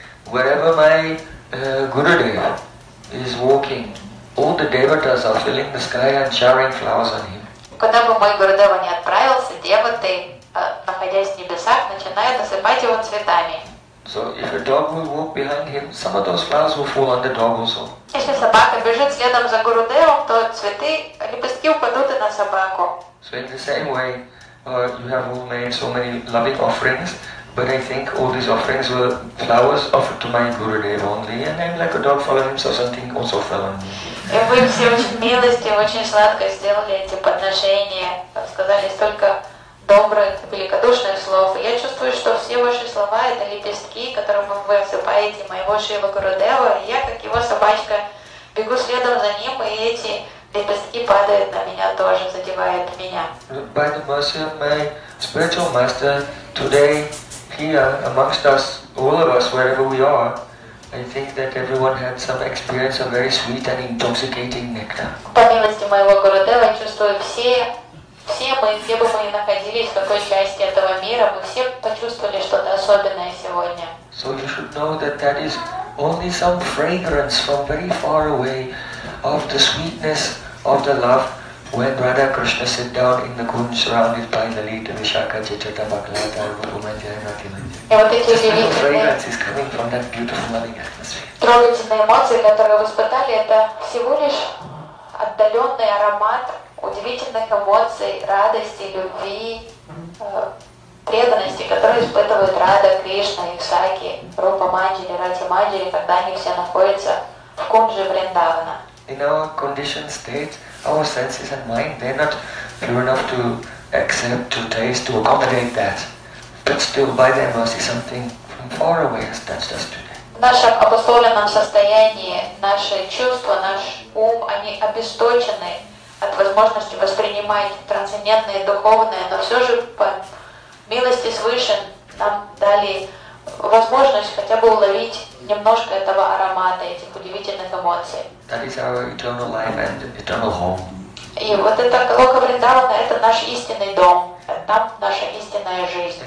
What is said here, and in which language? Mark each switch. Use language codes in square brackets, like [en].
[en] Wherever my Gurudeva is walking, all the devatas are filling the sky and showering flowers on him. [ru] Куда бы мой Гурудева ни отправился, девоты, находясь в небесах, начинают осыпать его цветами. [en] So if a dog will walk behind him, some of those flowers will fall on the dog also. [ru] Если собака бежит следом за Гурудевом, то цветы, лепестки упадут и на собаку. [en] So in the same way, you have all made so many loving offerings. But I think all these offerings were flowers offered to my Gurudev only, and I'm like a dog following, so something also fell on me. [ru] Вы все очень милостиво, очень сладко сделали эти подношения, сказали столько добрых, великодушных слов. Я чувствую, что все ваши слова — это лепестки, которыми вы осыпаете моего Шива Гурудева, и я, как его собачка, бегу следом за ним, и эти лепестки падают на меня тоже, задевают меня. [en] By the mercy of my spiritual master, today, here, amongst us, all of us, wherever we are, I think that everyone had some experience of very sweet and intoxicating nectar. [ru] По милости моего Гурудева, чувствую, все мы находились в какой части этого мира, мы все почувствовали что-то особенное сегодня. [en] So you should know that that is only some fragrance from very far away of the sweetness of the love when Radha Krishna sat down in the kund surrounded by the lead of Vishakha, Chaitanya, Bhaklata, Rupumanjaya, Natimanjaya. Just the fragrance is coming from that beautiful loving atmosphere. [ru] Трогательные эмоции, которые вы испытали, это всего лишь отдаленный аромат удивительных эмоций, радости, любви, преданности, которые испытывают Радха, Кришна, Исаки, Рупаманджали, Ратиманджали, когда они все находятся в кунже Вриндавана. [en] In our conditioned state, our senses and mind, they're not pure enough to accept, to taste, to accommodate that. But still, by their mercy, something from far away has touched us today. [ru] В нашем обусловленном состоянии наши чувства, наш ум, они обесточены от возможности воспринимать трансцендентное и духовное, но все же по милости свыше нам дали возможность хотя бы уловить немножко этого аромата, этих удивительных эмоций. [en] That is our eternal life and eternal home. [ru] И вот это Лока Вриндавана, это наш истинный дом, там наша истинная жизнь.